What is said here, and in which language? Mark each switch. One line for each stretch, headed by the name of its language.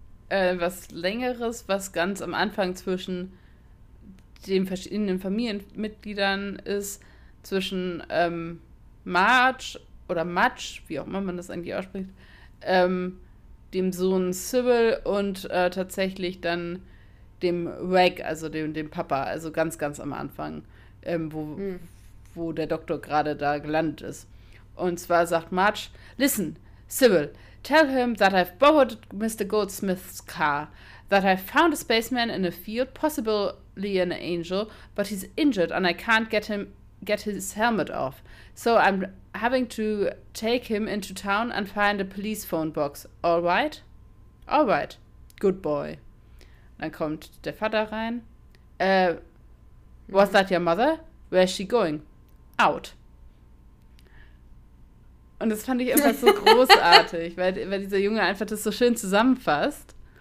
German: Was Längeres, was ganz am Anfang zwischen den verschiedenen Familienmitgliedern ist, zwischen Marge oder Mudge, wie auch immer man das eigentlich ausspricht, dem Sohn Cyril und tatsächlich dann dem Wag, also dem Papa, also ganz, ganz am Anfang, wo der Doktor gerade da gelandet ist. Und zwar sagt
English: Marge, listen, Cyril, tell him that I've borrowed Mr. Goldsmith's car, that I've found a spaceman in a field, possibly an angel, but he's injured and I can't get his helmet off. So I'm having to take him into town and find a police phone box. All right? All right. Good boy.
German: Dann kommt der Vater rein.
English: Was that your mother? Where is she going? Out.
German: Und das fand ich einfach so großartig, weil dieser Junge einfach das so schön zusammenfasst.